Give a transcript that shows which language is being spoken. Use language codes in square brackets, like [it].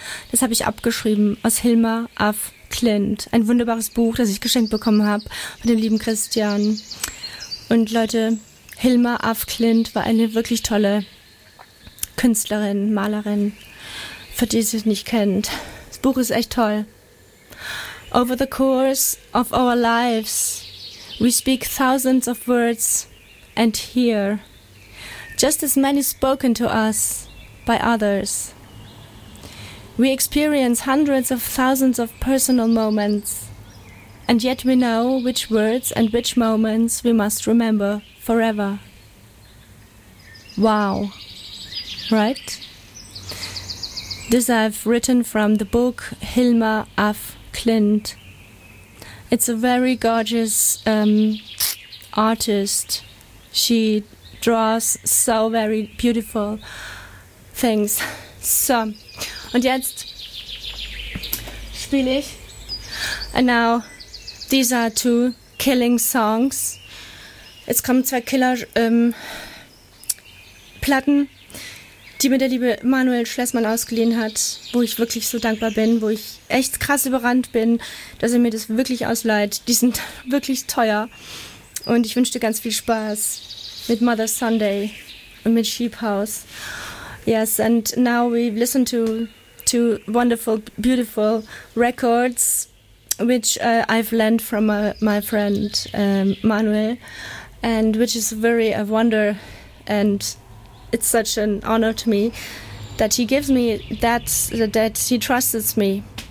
[de] Das habe ich abgeschrieben aus Hilma af Klint. Ein wunderbares Buch, das ich geschenkt bekommen habe von dem lieben Christian. Und Leute, Hilma af Klint war eine wirklich tolle Künstlerin, Malerin, für die sie es nicht kennt. Das Buch ist echt toll. [en] Over the course of our lives, we speak thousands of words and hear just as many spoken to us by others. We experience hundreds of thousands of personal moments, and yet we know which words and which moments we must remember forever. Wow, right? This I've written from the book Hilma af Klint. It's a very gorgeous artist. She draws so very beautiful things. [de] So, und jetzt spiele ich. [en] And now, these are two killing songs. [de] Jetzt kommen zwei Killer-Platten, die mir der liebe Manuel Schlesmann ausgeliehen hat, wo ich wirklich so dankbar bin, wo ich echt krass überrannt bin, dass er mir das wirklich ausleiht. Die sind wirklich teuer. Und ich wünsche dir ganz viel Spaß mit Mother Sunday und mit Sheep House. [en] Yes, and now we listen to two wonderful, beautiful records, which I've learned from my friend Manuel, and which is very a wonder, and it's such an honor to me that he gives me that he trusts me.